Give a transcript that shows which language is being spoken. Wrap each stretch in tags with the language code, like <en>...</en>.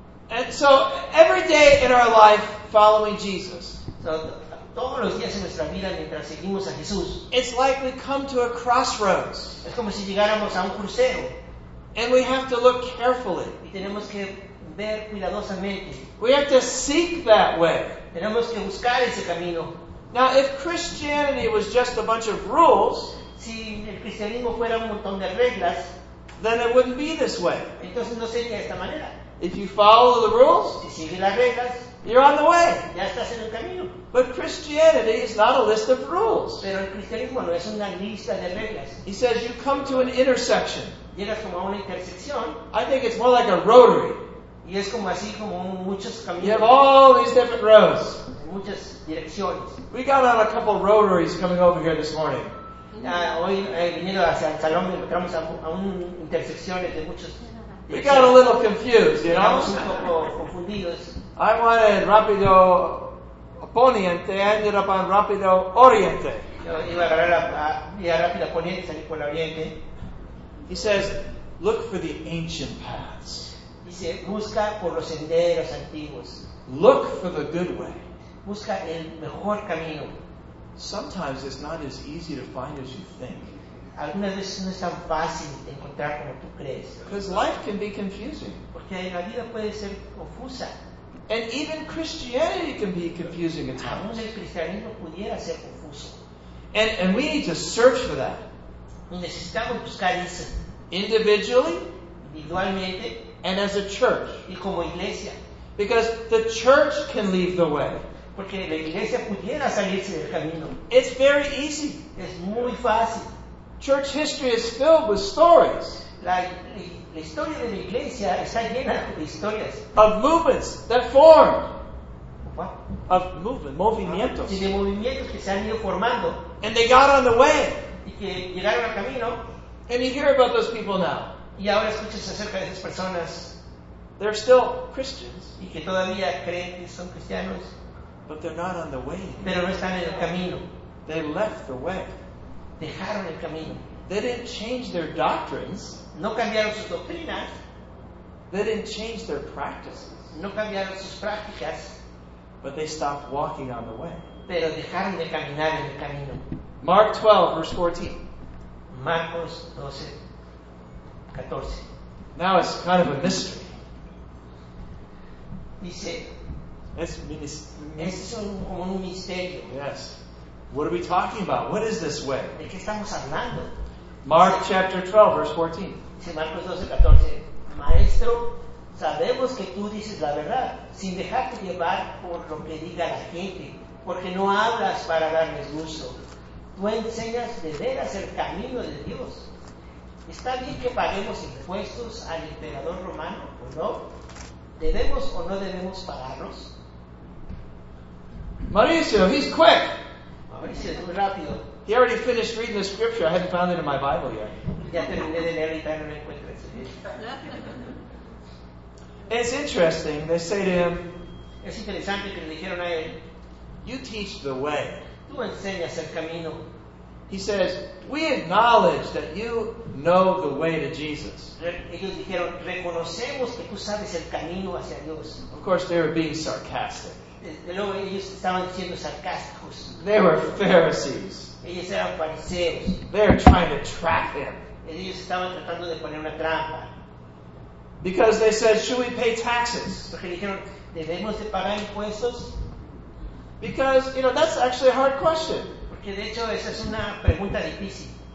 <en>And so every day in our life following Jesus,</en> <es>so, todos los días en nuestra vida mientras seguimos a Jesús,</es> <en>it's like we come to a crossroads.</en> <es>Es como si llegáramos a un crucero.</es> <en>And we have to look carefully.</en> <es>Y tenemos que ver cuidadosamente.</es> <en>We have to seek that way.</en> <es>Tenemos que buscar ese camino.</es> <en>Now, if Christianity was just a bunch of rules,</en> <es>si el cristianismo fuera un montón de reglas,</es> <en>then it wouldn't be this way.</en> <es>Entonces no sería de esta manera.</es> <en>If you follow the rules,</en> <es>si sigues las reglas,</es> <en>you're on the way.</en> <es>Ya estás en el camino.</es> <en>But Christianity is not a list of rules.</en> <es>Pero el cristianismo no es una lista de reglas.</es> <en>He says you come to an intersection.</en> <es>Llegas como a una intersección.</es> <en>I think it's more like a rotary.</en> <es>Y es como así, como muchos caminos.</es> <en>You have all these different roads.</en> <es>Muchas direcciones.</es> <en>We got on a couple rotaries coming over here this morning.</en> <es>Hoy viniendo hacia el salón, entramos a un intersecciones de muchos.</es> <en>We got a little confused, you know.</en> <es>Un poco confundidos.</es> <en>I wanted</en> <es>rápido poniente,</es> <en>I ended up on</en> <es>rápido oriente. Yo iba a agarrar la rápida poniente, salí por la oriente.</es> <en>He says, look for the ancient paths.</en> <es>Dice, busca por los senderos antiguos.</es> <en>Look for the good way.</en> <es>Busca el mejor camino.</es> <en>Sometimes it's not as easy to find as you think.</en> <es>Algunas veces no es tan fácil encontrar como tú crees.</es> <en>Because life can be confusing.</en> <es>Porque la vida puede ser confusa.</es> <en>And even Christianity can be confusing at times.</en> <es>Aún el cristianismo pudiera ser confuso.</es> <en>And we need to search for that.</en> <es>Necesitamos buscar eso.</es> <en>Individually.</en> <es>Individualmente.</es> <en>And as a church.</en> <es>Y como iglesia.</es> <en>Because the church can leave the way.</en> <es>Porque la iglesia pudiera salirse del camino.</es> <en>It's very easy.</en> <es>Es muy fácil.</es> <en>Church history is filled with stories.</en> <es>La historia de la iglesia está llena de historias.</es> <en>Of movements that formed. What? Of movement,</en> <es>movimientos. Y de movimientos que se han ido formando.</es> <en>And they got on the way.</en> <es>Y que llegaron al camino.</es> <en>And you hear about those people now.</en> <es>Y ahora escuchas acerca de esas personas.</es> <en>They're still Christians.</en> <es>Y que todavía creen que son cristianos.</es> <en>But they're not on the way.</en> <es>Pero no están en el camino.</es> <en>They left the way.</en> <es>Dejaron el camino.</es> <en>They didn't change their doctrines.</en> <es>No cambiaron sus doctrinas.</es> <en>They didn't change their practices.</en> <es>No cambiaron sus prácticas.</es> <en>But they stopped walking on the way.</en> <es>Pero dejaron de caminar en el camino.</es> <en>Mark 12, verse 14.</en> <es>Marcos 12, 14.</es> <en>Now it's kind of a mystery.</en> <es>Dice, es como un misterio.</es> <en>Yes. What are we talking about? What is this way?</en> <es>¿De qué estamos hablando?</es> <en>Mark chapter 12, verse 14.</en> <es>Dice Marcos 12, 14. Maestro, sabemos que tú dices la verdad, sin dejarte llevar por lo que diga la gente, porque no hablas para darles gusto. Tú enseñas de veras el camino de Dios. ¿Está bien que paguemos impuestos al emperador romano o no? ¿Debemos o no debemos pagarlos?</es> <en>Mauricio, he's quick.</en> <es>Mauricio, es muy rápido.</es> <en>He already finished reading the scripture. I hadn't found it in my Bible yet.</en> <es>Ya terminé de leer y no me encuentro.</es> <en>It's interesting. They say to him,</en> <es>es interesante que le dijeron a él,</es> <en>you teach the way.</en> <es>Tú enseñas el camino.</es> <en>He says, we acknowledge that you know the way to Jesus.</en> <es>Ellos dijeron, reconocemos que tú sabes el camino hacia Dios.</es> <en>Of course, they were being sarcastic.</en> <es>ellos estaban siendo sarcásticos.</es> <en>They were Pharisees.</en> <es>Ellos eran fariseos.</es> <en>They're trying to trap him.</en> <es>Ellos estaban tratando de poner una trampa.</es> <en>Because they said, should we pay taxes?</en> <es>Porque dijeron, ¿debemos de pagar impuestos?</es> <en>Because, you know, that's actually a hard question.</en> <es>Porque de hecho esa es una pregunta difícil.</es>